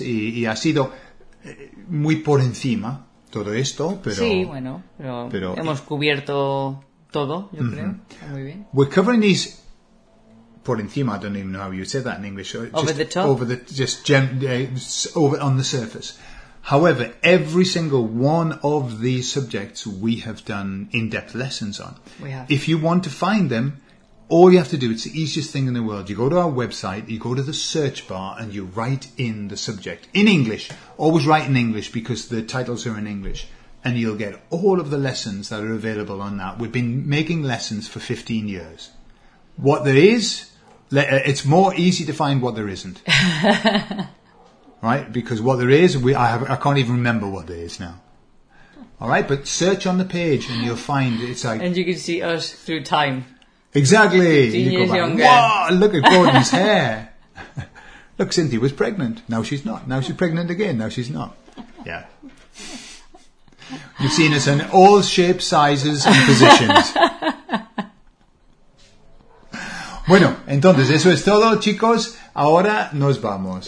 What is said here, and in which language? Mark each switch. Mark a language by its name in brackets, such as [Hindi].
[Spanish] Y ha sido muy por encima todo esto, pero... Sí, bueno, pero hemos cubierto todo, yo creo. Muy bien. [English] We're covering these... Por encima, I don't even know how you said that in English. Over just the top? Over the, just over on the surface. However, every single one of these subjects we have done in-depth lessons on. We have. If you want to find them, all you have to do, it's the easiest thing in the world. You go to our website, you go to the search bar, and you write in the subject. In English. Always write in English because the titles are in English. And you'll get all of the lessons that are available on that. We've been making lessons for 15 years. What there is, it's more easy to find what there isn't. Right? Because what there is, I can't even remember what there is now. All right? But search on the page and you'll find it's like... And you can see us through time. Exactly. You go back, whoa, look at Gordon's hair. Look, Cynthia was pregnant. Now she's not. Now she's pregnant again. Now she's not. Yeah. You've seen us in all shapes, sizes and positions. [Spanish] Bueno, entonces eso es todo, chicos. Ahora nos vamos.